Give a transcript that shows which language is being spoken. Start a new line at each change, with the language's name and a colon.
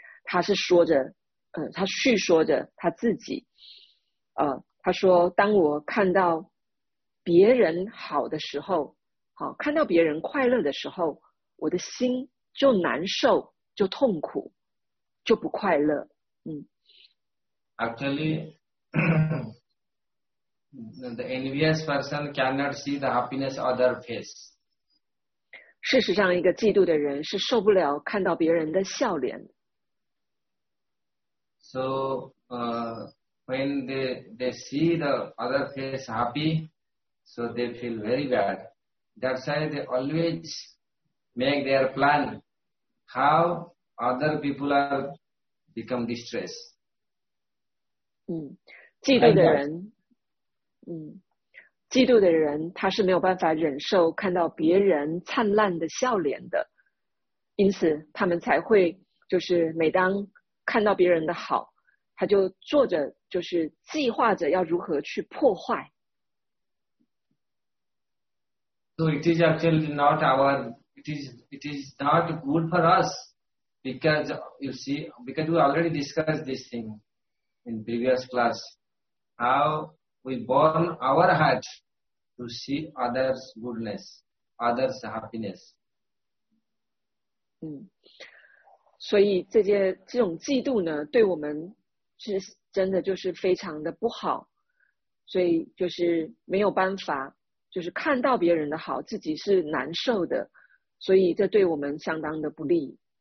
Chinese: 他是说着，他叙说着他自己，他说，当我看到别人好的时候，看到别人快乐的时候，我的心就难受，就痛苦，就不快乐。
English: Actually, the envious person cannot see the happiness of their face.
Chinese: 事实上，一个嫉妒的人是受不了看到别人的笑脸。
English: So, when they see the other face happy, so they feel very bad. That's why they always make their plan how other people are become distressed.
Chinese: 嫉妒的人，嫉妒的人他是没有办法忍受看到别人灿烂的笑脸的，因此他们才会就是每当看到别人的好，他就做着就是计划着要如何去破坏。
English: So it is actually not our, it is not good for us, because you see, because we already discussed this thing in previous class, how we burn our heart to see others' goodness, others' happiness.
Chinese: 所以这种嫉妒呢，对我们是真的就是非常的不好，所以就是没有办法，就是看到别人的好，自己是难受的，所以这对我们相当的不利。